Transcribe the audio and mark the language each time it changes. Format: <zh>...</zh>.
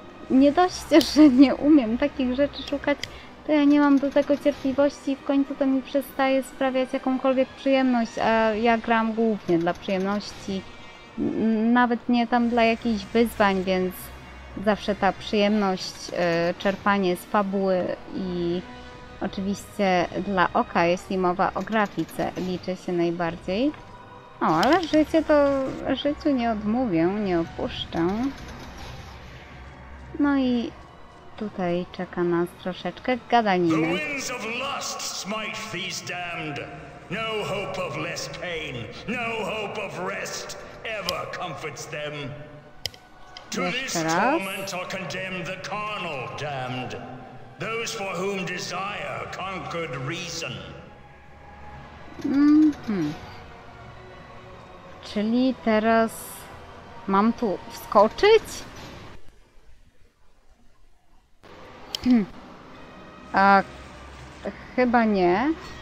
<pl>Nie dość, że nie umiem takich rzeczy szukać, to ja nie mam do tego cierpliwości i w końcu to mi przestaje sprawiać jakąkolwiek przyjemność, a ja gram głównie dla przyjemności, nawet nie tam dla jakichś wyzwań, więc zawsze ta przyjemność, czerpanie z fabuły i oczywiście dla oka, jeśli mowa o grafice, liczy się najbardziej. No, ale życie to życiu nie odmówię, nie opuszczę. No i tutaj czeka nas troszeczkę gadaniny.</pl> <en>The winds of lust smite these damned. No hope of less pain, no hope of rest ever comforts them. To this torment are condemned the carnal damned. Those for whom desire conquered reason.</en> <pl>Czyli teraz mam tu wskoczyć? A chyba nie.</pl>